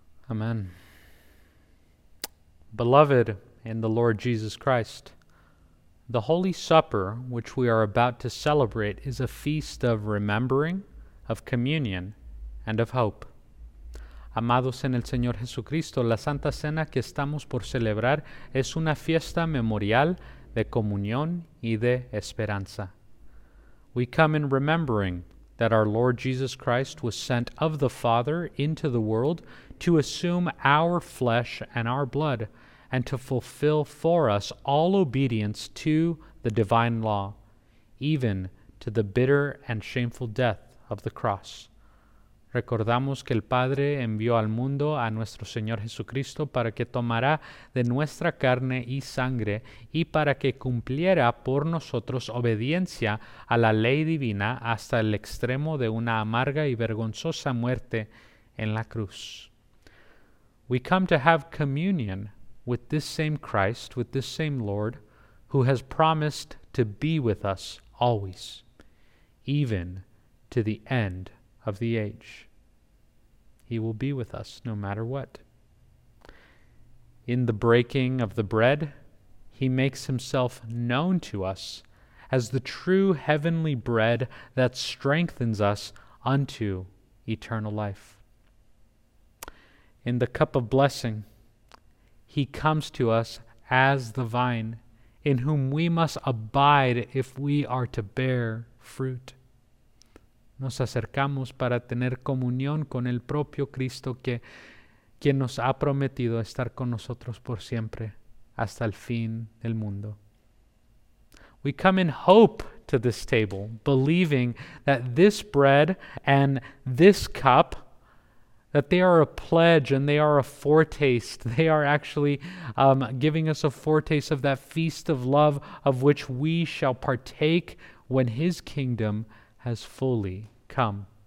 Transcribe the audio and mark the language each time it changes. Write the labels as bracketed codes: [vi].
[en] Amen. Beloved in the Lord Jesus Christ, The Holy Supper, which we are about to celebrate, is a feast of remembering, of communion, and of hope. [es] Amados en el Señor Jesucristo, la Santa Cena que estamos por celebrar es una fiesta memorial de comunión y de esperanza. [en] We come in remembering that our Lord Jesus Christ was sent of the Father into the world to assume our flesh and our blood and to fulfill for us all obedience to the divine law, even to the bitter and shameful death of the cross. [es] Recordamos que el Padre envió al mundo a nuestro Señor Jesucristo para que tomara de nuestra carne y sangre y para que cumpliera por nosotros obediencia a la ley divina hasta el extremo de una amarga y vergonzosa muerte en la cruz. [en] We come to have communion with this same Christ, with this same Lord, who has promised to be with us always, even to the end of the age. He will be with us no matter what. In the breaking of the bread, he makes himself known to us as the true heavenly bread that strengthens us unto eternal life. In the cup of blessing, he comes to us as the vine in whom we must abide if we are to bear fruit. [es] Nos acercamos para tener comunión con el propio Cristo quien nos ha prometido estar con nosotros por siempre hasta el fin del mundo. [en] We come in hope to this table, believing that this bread and this cup, that they are a pledge and they are a foretaste. They are actually giving us a foretaste of that feast of love of which we shall partake when his kingdom has fully come.